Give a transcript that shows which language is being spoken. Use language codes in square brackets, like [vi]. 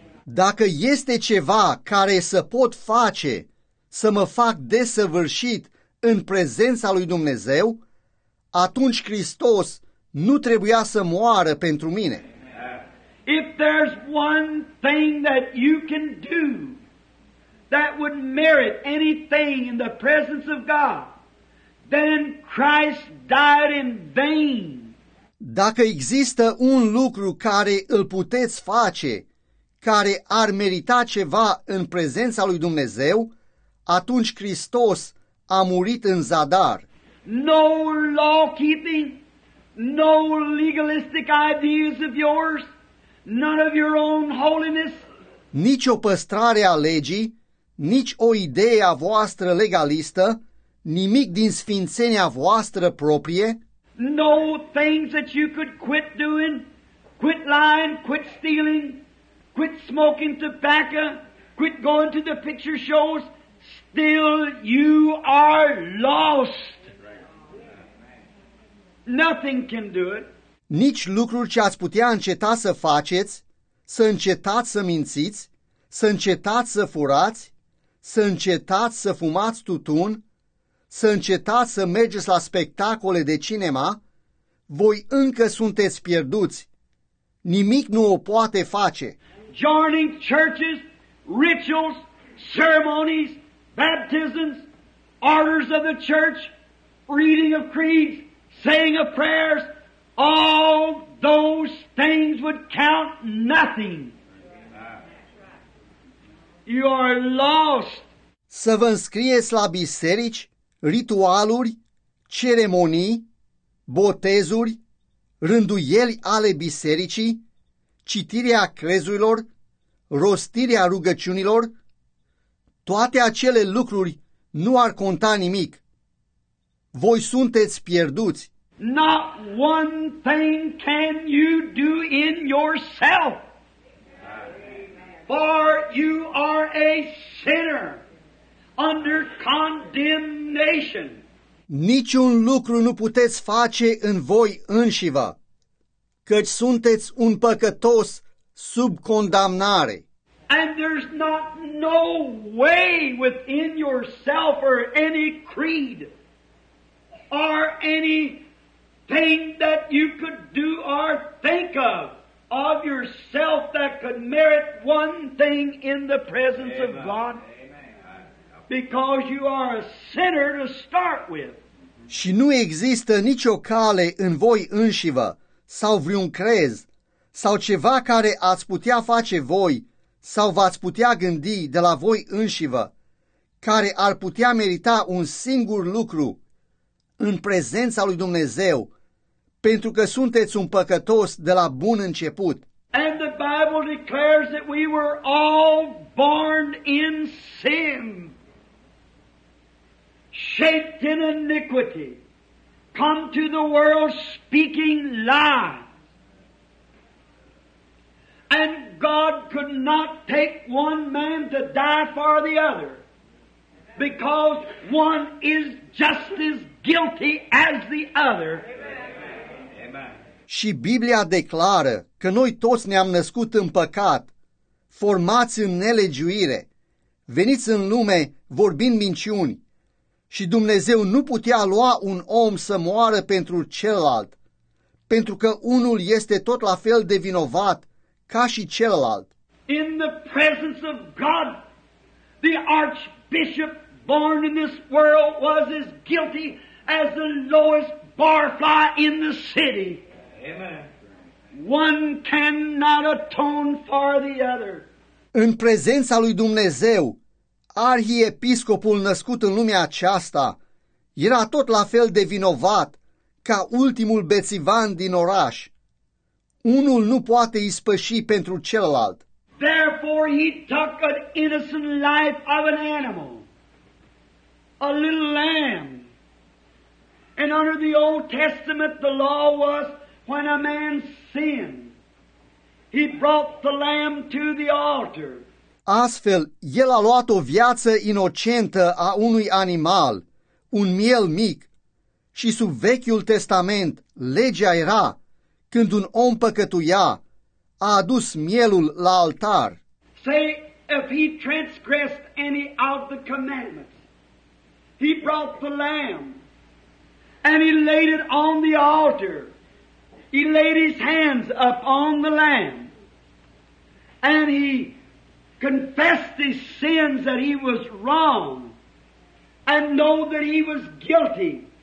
[ro] Dacă este ceva care să pot face să mă fac desăvârșit în prezența lui Dumnezeu, atunci Hristos nu trebuia să moară pentru mine. [en] If there's one thing that you can do that would merit anything in the presence of God, then Christ died in vain. [ro] Dacă există un lucru care îl puteți face care ar merita ceva în prezența lui Dumnezeu, atunci Hristos a murit în zadar. [en] No law keeping, no legalistic ideas of yours, none of your own holiness. [ro] Nici o păstrare a legii, nici o idee a voastră legalistă, nimic din sfințenia voastră proprie. [en] No things that you could quit doing, quit lying, quit stealing. Quit smoking tobacco, quit going to the picture shows, still you are lost. Nothing can do it. [ro] Nici lucruri ce ați putea înceta să faceți, să încetați să mințiți, să încetați să furați, să încetați să fumați tutun, să încetați să mergeți la spectacole de cinema, voi încă sunteți pierduți. Nimic nu o poate face. [en] Joining churches, rituals, ceremonies, baptisms, orders of the church, reading of creeds, saying of prayers, all those things would count nothing. You are lost. [ro] Să vă înscrieți la biserici, ritualuri, ceremonii, botezuri, rânduieli ale bisericii, citirea crezurilor, rostirea rugăciunilor, toate acele lucruri nu ar conta nimic. Voi sunteți pierduți. [en] Not one thing can you do in yourself, for you are a sinner under condemnation. [ro] Niciun lucru nu puteți face în voi înșivă, căci sunteți un păcătos sub condamnare. [en] And there's not no way within yourself or any creed or any thing that you could do or think of yourself that could merit one thing in the presence of God. Because you are a sinner to start with. [ro] Și nu există nicio cale în voi înșivă sau vreun crez sau ceva care ați putea face voi sau v-ați putea gândi de la voi înșivă, care ar putea merita un singur lucru în prezența lui Dumnezeu, pentru că sunteți un păcătos de la bun început. [en] And the Bible declares that we were all born in sin, shaped in iniquity, come to the world speaking lies. And God could not take one man to die for the other, because one is just as guilty as the other. Amen. [ro] Și Biblia declară că noi toți ne-am născut în păcat, formați în nelegiuire, veniți în lume vorbind minciuni. Și Dumnezeu nu putea lua un om să moară pentru celălalt, pentru că unul este tot la fel de vinovat ca și celălalt. [en] In the presence of God, the archbishop born in this world was as guilty as the lowest barfly in the city. Amen. One cannot atone for the other. [ro] În prezența lui Dumnezeu, arhiepiscopul născut în lumea aceasta era tot la fel de vinovat ca ultimul bețivan din oraș. Unul nu poate ispăși pentru celălalt. [en] Therefore he took an innocent life of an animal, a little lamb. And under the Old Testament the law was when a man sinned, he brought the lamb to the altar. [ro] Astfel, el a luat o viață inocentă a unui animal, un miel mic, și sub Vechiul Testament, legea era, când un om păcătuia, a adus mielul la altar. [en] Say, if he transgressed any of the commandments, he brought the lamb, and he laid it on the altar, he laid his hands upon the lamb, and he confessed his sins that he was wrong and know that he was guilty.